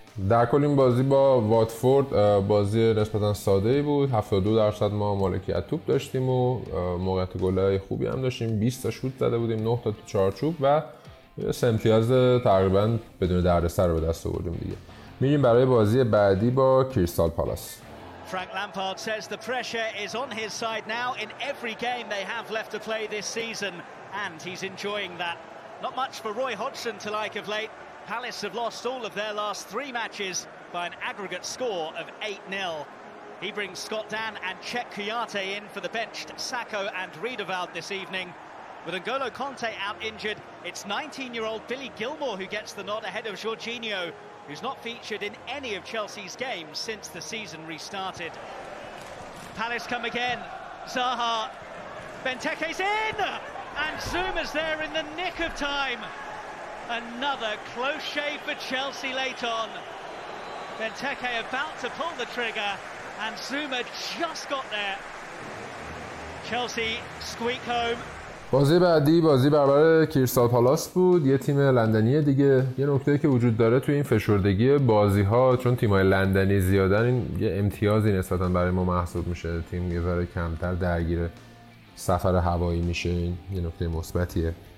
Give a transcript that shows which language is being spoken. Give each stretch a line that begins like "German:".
Persian: در کل این بازی با واتفورد بازی نسبتا ساده‌ای بود، 72% ما مالکیت توپ داشتیم و موقعیت گلای خوبی هم داشتیم، 20 تا شوت زده بودیم، 9 تا تو چارچوب و سه امتیاز تقریبا بدون دردسر رو به دست آوردیم دیگه. میریم برای بازی بعدی با کریستال پالاس.
English: Frank Lampard says the pressure is on his side now in every game they have left to play this season and he's enjoying that. Not much for Roy Hodgson to like of late. Palace have lost all of their last three matches by an aggregate score of 8-0. He brings Scott Dan and Cech Kouyaté in for the benched Sakho and Riedewald this evening. With N'Golo Kanté out injured, it's 19-year-old Billy Gilmour who gets the nod ahead of Jorginho, who's not featured in any of Chelsea's games since the season restarted. Palace come again. Zaha. Benteke's in! And Zouma's there in the nick of time. Another close shave for Chelsea late on. Benteke about to pull the trigger and Zouma just got there. Chelsea squeak home.
Persian: بازی بعدی بازی برابر کریستال پالاس بود، یه تیم لندنی دیگه. یه نکته که وجود داره توی این فشردگی بازی‌ها، چون تیم‌های لندنی زیادن، این یه امتیازی نسبتاً برای ما محسوب میشه، تیم یه ذره کمتر درگیر سفر هوایی میشه، این یه نکته مثبتیه.